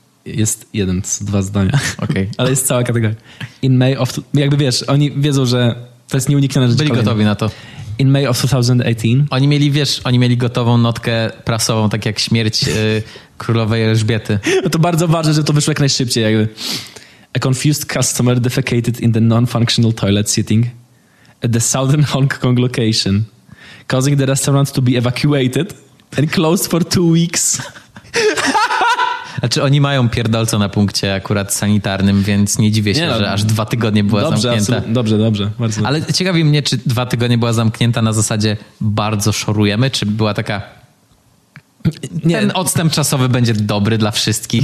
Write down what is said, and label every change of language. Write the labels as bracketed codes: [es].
[pl] Jest jeden, dwa zdania. [en] Okay. [pl] Ale jest cała kategoria. [en] In May of... [pl] Jakby wiesz, oni wiedzą, że to jest nieuniknione rzecz. Byli gotowi na to. [en] In May of 2018... [pl] Oni mieli gotową notkę prasową, tak jak śmierć królowej Elżbiety. No to bardzo ważne, żeby to wyszło jak najszybciej. Jakby. [en] A confused customer defecated in the non-functional toilet sitting at the southern Hong Kong location, causing the restaurant to be evacuated and closed for 2 weeks. [pl] Znaczy oni mają pierdolca na punkcie akurat sanitarnym, więc nie dziwię się, że aż 2 tygodnie była zamknięta. Dobrze, bardzo. Ale ciekawi mnie, czy 2 tygodnie była zamknięta na zasadzie bardzo szorujemy, czy była taka... Nie. Ten odstęp czasowy będzie dobry dla wszystkich.